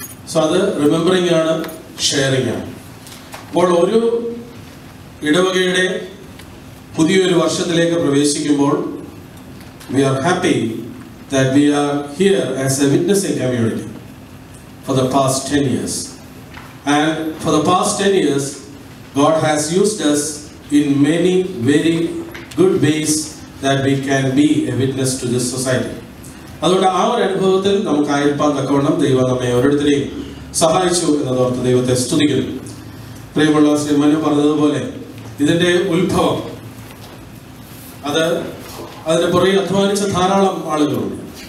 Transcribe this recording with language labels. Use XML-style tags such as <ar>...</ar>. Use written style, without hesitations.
<ml>So അത് remembering ആണ്, sharing ആണ്. അപ്പോൾ ഒരു ഇടവകയുടെ പുതിയൊരു വർഷത്തിലേക്ക് പ്രവേശിക്കുമ്പോൾ</ml> <en>We are happy that we are here as a witnessing community for the past 10 years. And for the past 10 years, God has used us in many very good ways that we can be a witness to this society.</en> <ml>അതുകൊണ്ട് ആ ഒരു അനുഭവത്തിൽ നമുക്ക് ആയിരപ്പാൻ തക്കവണ്ണം ദൈവം നമ്മെ ഓരോരുത്തരെയും സഹായിച്ചു എന്നതോർത്ത് ദൈവത്തെ സ്തുതിക്കുന്നു. പ്രിയമുള്ള ശ്രീ മനു പറഞ്ഞതുപോലെ ഇതിന്റെ ഉത്ഭവം, അത് അതിന്റെ പുറകെ അധ്വാനിച്ച ധാരാളം ആളുകളുണ്ട്.</ml>